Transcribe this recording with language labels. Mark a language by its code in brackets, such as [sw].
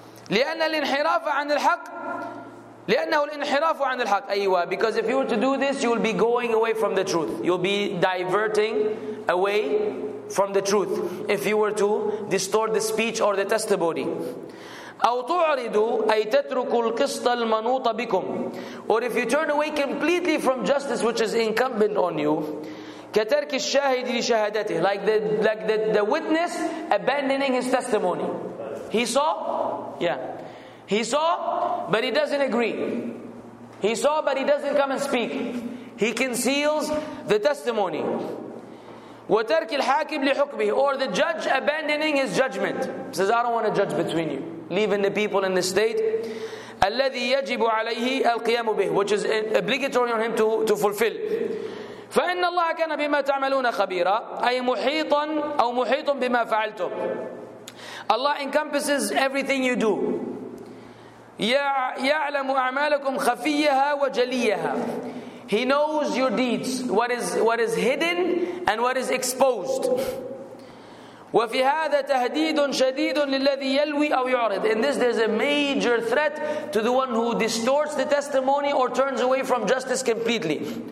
[ar] لأن الانحراف عن الحق. لأنه الانحراف عن الحق. أيوة. [en] Because if you were to do this, you will be going away from the truth. You'll be diverting away from the truth if you were to distort the speech or the testimony. [ar] أو تعرض أي تترك القسط المنوط بكم. [en] Or if you turn away completely from justice which is incumbent on you. [ar] كترك الشاهد لشهادته. [en] Like the witness abandoning his testimony. He saw? Yeah. He saw, but he doesn't agree. He saw, but he doesn't come and speak. He conceals the testimony. [ar] وترك الحاكم لحكمه. [en] Or the judge abandoning his judgment. He says, I don't want to judge between you. Leaving the people in the state. [ar] الذي يجب عليه القيام به. [en] Which is obligatory on him to fulfill. [ar] فإن الله كان بما تعملون خبيرا. أي محيطا أو محيط بما فعلتم. [en] Allah encompasses everything you do. [ar] يعلم أعمالكم خفيها وجليها. [en] He knows your deeds, what is hidden and what is exposed. [ar] وفي هذا تهديد شديد للذي يلوي أو يعرض. [en] In this there's a major threat to the one who distorts the testimony or turns away from justice completely.